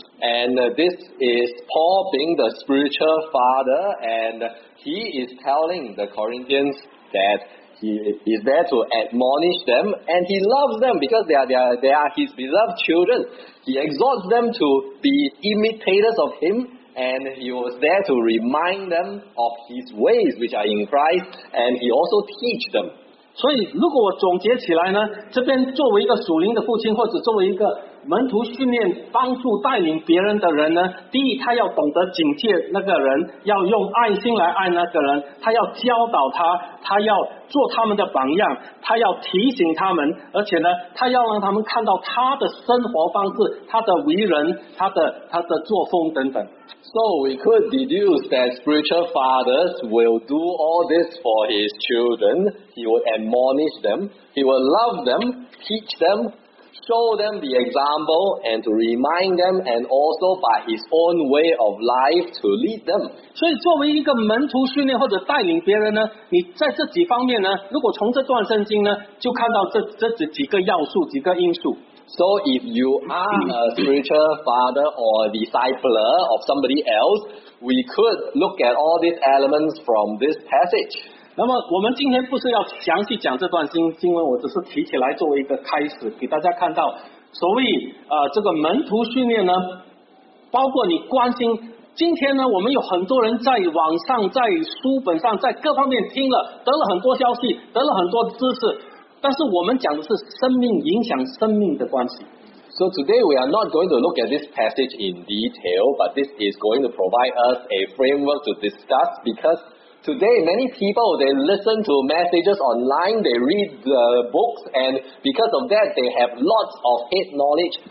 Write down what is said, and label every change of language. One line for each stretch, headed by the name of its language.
English: And this is Paul being the spiritual father, and he is telling the Corinthians that he is there to admonish them, and he loves them because they are his beloved children. He exhorts them to be imitators of him, and he was there to remind them of his ways which are in Christ, and he also teach them.
Chinese: 所以如果我总结起来呢，这边作为一个属灵的父亲，或者作为一个门徒训练帮助带领别人的人呢，第一他要懂得警戒那个人，要用爱心来爱那个人，他要教导他，他要做他们的榜样，他要提醒他们，而且呢他要让他们看到他的生活方式，他的为人，他的作风等等。
English: So we could deduce that spiritual fathers will do all this for his children. He will admonish them, he will love them, teach themshow them the example and to remind them and also by his own way of life to lead them.
Chinese: 所以作为一个门徒训练或者带领别人呢，你在这几方面呢，如果从这段圣经呢，就看到这几个要素，几个因素。
English: So if you are a spiritual father or discipler of somebody else, we could look at all these elements from this passage.
Chinese: 那么我们今天不是要详细讲这段经文，我只是提起来作为一个开始，给大家看到所谓这个门徒训练呢，包括你关心。今天呢，我们有很多人在网上、在书本上、在各方面听了，得了很多消息，得了很多知识，但是我们讲的是生命影响生命的关系。
English: So today we are not going to look at this passage in detail, but this is going to provide us a framework to discuss, because today many people, they listen to messages online, they read the books, and because of that they have lots of head knowledge.